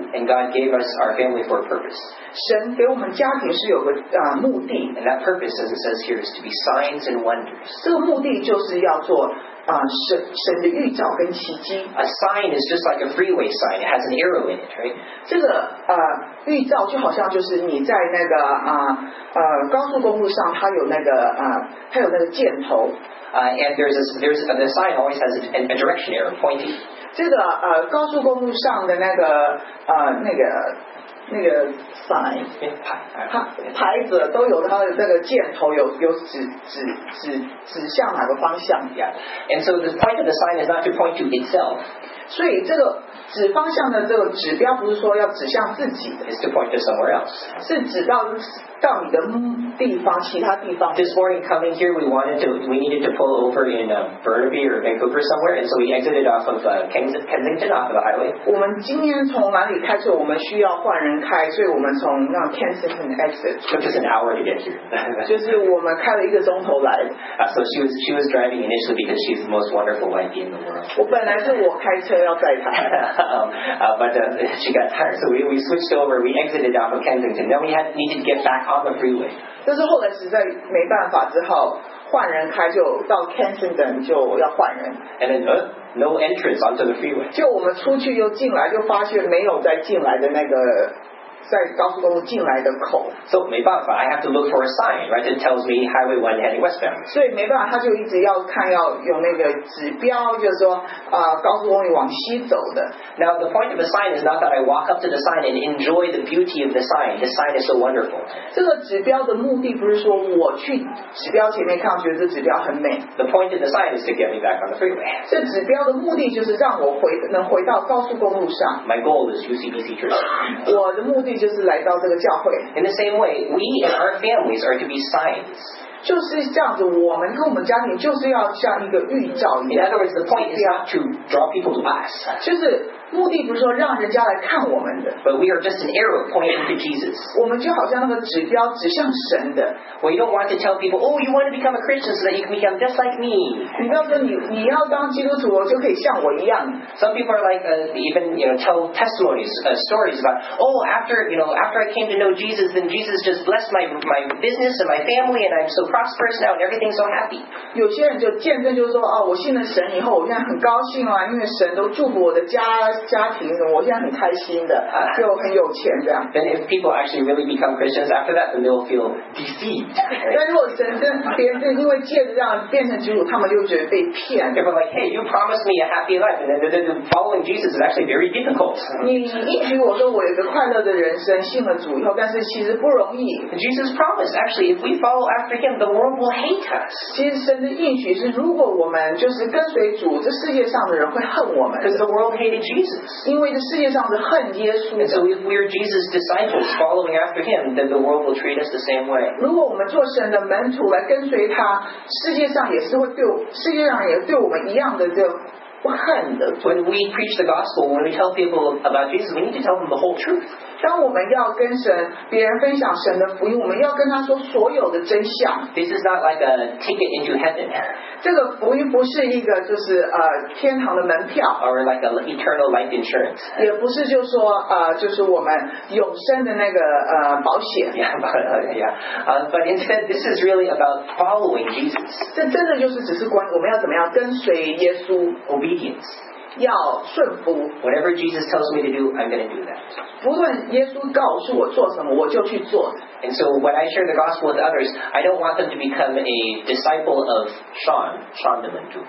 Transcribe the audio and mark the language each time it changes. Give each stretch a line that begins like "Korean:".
English: And God gave us our family for a purpose.
Chinese: 神给我们家庭是有个目的。
English: And that purpose, as it says here, is to be signs and wonders.
Chinese: 这个目的就是要做神的预兆跟奇迹。
English: A sign is just like a freeway sign. It has an arrow in it, right?
Chinese: 这个预兆就好像就是你在那个高速公路上，它有那个它有那个箭头。
English: And the sign always has a direction arrow pointing.
Chinese: 这个高速公路上的那个 sign 牌子都有它的那个箭头有指向哪个方向。
English: Yeah. And so the point of the sign is not to point to itself.
Chinese: 所以这个指方向的这个指标不是说要指向自己的。
English: It's to point to somewhere else.
Chinese: 是指到你的地方，其他地方。
English: This morning coming here, we needed to pull over in Burnaby or Vancouver somewhere, and so we exited off of Kensington off of the highway.
Chinese: 我们今天从哪里开车？我们需要换人开，所以我们从那 Kensington exit.
English: Took us an hour to get here.
Chinese: 就是我们开了一个钟头来。
English: So she was driving initially because she's the most wonderful wife in the world.
Chinese: 我本来是我开车要载她。
English: she got tired, so we switched over. We exited off of Kensington. Then we needed to get back on the freeway.
Chinese: 但是后来实在没办法，只好换人开，就到 Kensington 就要换人。
English: And then, no entrance onto the freeway.
Chinese: 就我们出去又进来，就发现没有再进来的那个。在高速公路进来的口。
English: So,
Chinese: 没办法,
English: I have to look for a sign, right? It tells me Highway 1 heading westbound.
Chinese: 所以没办法,他就一直要看,要有那个指标,就是说,高速公路往西走的。
English: Now, the point of a sign is not that I walk up to the sign and enjoy the beauty of the sign. The sign is so wonderful.
Chinese: 这个指标的目的不是说我去指标前面看,觉得这指标很美。
English: The point of the sign is to get me back on the freeway.
Chinese: 这指标的目的就是让我能回到高速公路上。
English: My goal is UCBC Church.
Chinese: 我的目的就是来到这个教会。
English: In the same way, we and our families are to be signs.
Chinese: 就是这样子，我们跟我们家庭就是要像一个预兆一样。
English: In other words, the point is not to draw people to us.
Chinese: 就是目的不是说让人家来看我们的。
English: But we are just an arrow pointing to Jesus.
Chinese: 我们就好像那个指标指向神的。
English: We don't want to tell people, oh, you want to become a Christian so that you can become just like me.
Chinese: 你要说你要当基督徒，就可以像我一样。
English: Some people are like, even you know, tell testimonies, stories about, oh, after you know, after I came to know Jesus, then Jesus just blessed my business and my family, and I'm so prosperous now, and everything's so happy.
Chinese: 有些人就见证就是说，哦，我信了神以后，我现在很高兴啊，因为神都祝福我的家庭，我现在很开心的，就很有钱这样。
English: Then if people actually really become Christians after that, then they'll feel deceived.
Chinese: 但如果神真别人因为借着这样变成基督徒，他们就觉得被骗。
English: They're like, hey, you promised me a happy life, and then following Jesus is actually very difficult.
Chinese: 你一直我说我有个快乐的人生，信了主以后，但是其实不容易。
English: Jesus promised actually if we follow after him, the world will hate us.
Chinese: 其实神的应许是，如果我们就是跟随主，这世界上的人会恨我们。
English: Because the world hated Jesus.
Chinese: 因为这世界上是恨耶稣的。
English: And so if we're Jesus' disciples following after him, then the world will treat us the same way.
Chinese: 如果我们做神的门徒来跟随他，世界上也对我们一样的就。
English: When we preach the gospel, when we tell people about Jesus, we need to tell them the whole truth.
Chinese: 当我们要跟神别人分享神的福音，我们要跟他说所有的真相。
English: This is not like a ticket into heaven.
Chinese: 这个福音不是一个就是天堂的门票。
English: Or like an eternal life insurance.
Chinese: 也不是就是说就是我们永生的那个保险。
English: But instead, this is really about following Jesus.
Chinese: 这真的就是只是关于我们要怎么样跟随耶稣。
English: Obedience.
Chinese: 要顺服。
English: Whatever Jesus tells me to do, I'm going to do that.
Chinese: 不论耶稣告诉我做什么，我就去做。
English: And so when I share the gospel with others, I don't want them to become a disciple of Sean
Chinese: 的门徒。